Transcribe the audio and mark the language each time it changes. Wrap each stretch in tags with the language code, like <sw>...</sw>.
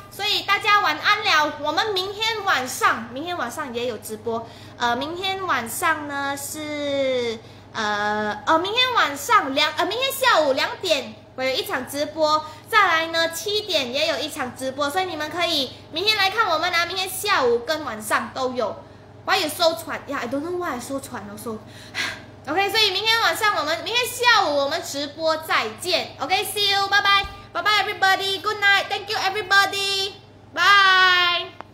<zh>所以大家晚安了，我们明天晚上也有直播，明天下午两点我有一场直播，再来呢7点也有一场直播，所以你们可以明天来看我们啊，明天下午跟晚上都有。</zh> <en>Why you so 喘呀、yeah, ？I don't know why I so 喘 also。</en> <zh>OK， 所以明天下午我们直播再见。</zh> <en>OK， see you， bye bye。Bye bye everybody, good night, thank you everybody, bye!</en>